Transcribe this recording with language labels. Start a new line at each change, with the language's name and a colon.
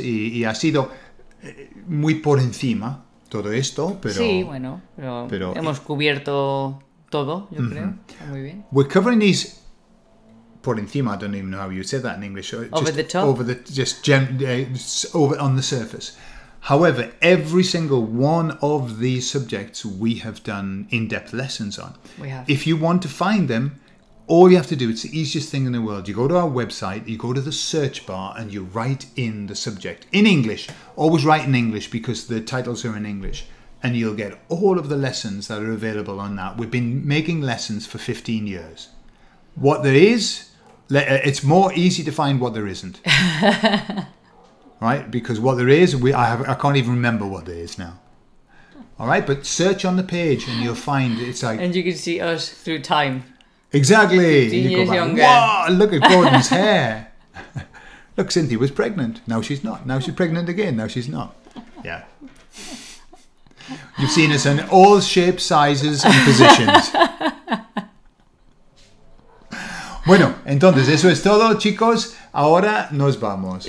Spanish: Y ha sido muy por encima todo esto, pero... Sí, bueno, pero hemos cubierto todo, yo creo. Muy bien.
English: We're covering these...
Spanish: Por encima,
English: I don't even know how you said that in English. Over the top? Over on the surface. However, every single one of these subjects we have done in-depth lessons on. We have. If you want to find them, all you have to do, it's the easiest thing in the world. You go to our website, you go to the search bar, and you write in the subject. In English. Always write in English because the titles are in English. And you'll get all of the lessons that are available on that. We've been making lessons for 15 years. What there is, it's more easy to find what there isn't. Right? Because what there is, I can't even remember what there is now. All right? But search on the page and you'll find it's like... And you can see us through time. Exactly. 15 years younger. Whoa, look at Gordon's hair. Look, Cynthia was pregnant. Now she's not. Now she's pregnant again. Now she's not. Yeah. You've seen us in all shapes, sizes, and positions.
Spanish: Bueno, entonces eso es todo, chicos. Ahora nos vamos.